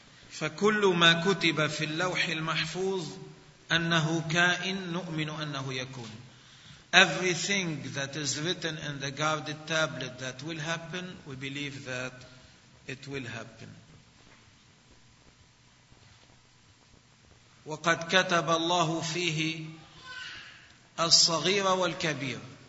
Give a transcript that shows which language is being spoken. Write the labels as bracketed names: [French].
[Arabic] فكل ما كتب في اللوح المحفوظ أنه كائن نؤمن أنه يكون. [English] Everything that is written in the guarded tablet that will happen, we believe that it will happen. [Arabic] وقد كتب الله فيه الصغير والكبير.